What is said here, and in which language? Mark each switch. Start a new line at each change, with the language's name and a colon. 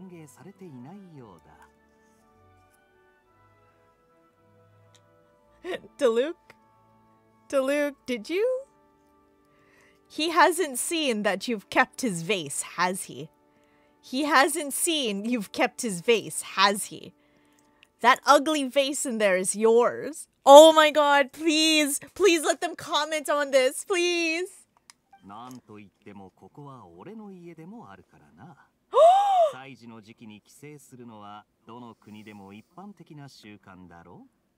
Japanese: おっと、冷たい反応じゃないか。どうやらディルックの旦那にあまり歓迎されていないようだ。
English: Daluc, did you? He hasn't seen that you've kept his vase, has he? He hasn't seen you've kept his vase, has he? That ugly vase in there is yours. Oh my god, please let them comment on this, please.
Japanese: なんといってもここは俺の家でもあるからな。祭事の時期に帰省するのはどの国でも一般的な習慣だろう。